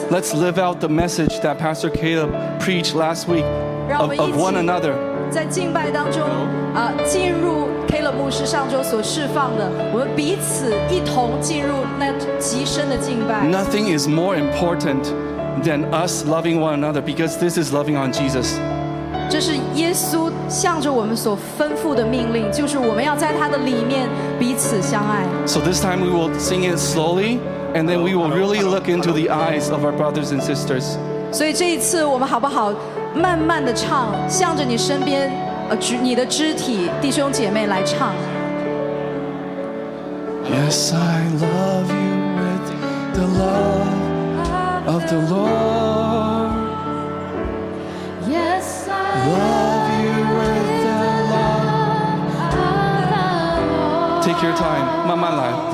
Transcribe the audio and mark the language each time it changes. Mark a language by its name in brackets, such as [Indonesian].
[English] Let's live out the message that Pastor Caleb preached last week of one another. [Chinese] 在敬拜当中，进入 Caleb 牧师上周所释放的，我们彼此一同进入那极深的敬拜。 [English] Nothing is more important than us loving one another, because this is loving on Jesus. [Chinese] 这是耶稣向着我们所吩咐的命令，就是我们要在他的里面彼此相爱。 [English] So this time we will sing it slowly, and then we will really look into the eyes of our brothers and sisters. [Chinese] 所以这一次我们好不好慢慢的唱，向着你身边你的肢体弟兄姐妹来唱。 [English] Yes, I love you with the love of the Lord. Yes, I love you with the love of the Lord. Take your time, [Chinese] 慢慢来。